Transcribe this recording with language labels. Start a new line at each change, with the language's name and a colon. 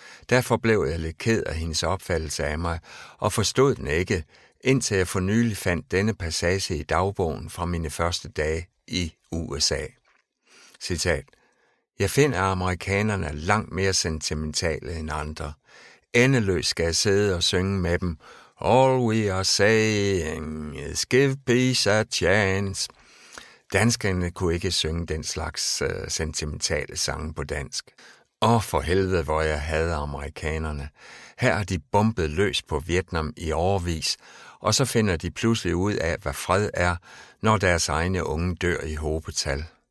Danish: Derfor blev jeg lidt ked af hendes opfattelse af mig, og forstod den ikke, indtil jeg for nylig fandt denne passage i dagbogen fra mine første dage i USA. Citat. Jeg finder amerikanerne langt mere sentimentale end andre. Endeløst skal jeg sidde og synge med dem.
English: All we are saying is give peace a chance.
Danish: Danskerne kunne ikke synge den slags sentimentale sange på dansk. Åh, for helvede, hvor jeg hader amerikanerne. Her har de bombet løs på Vietnam i årevis, og så finder de pludselig ud af, hvad fred er, når deres egne unge dør i hobetal.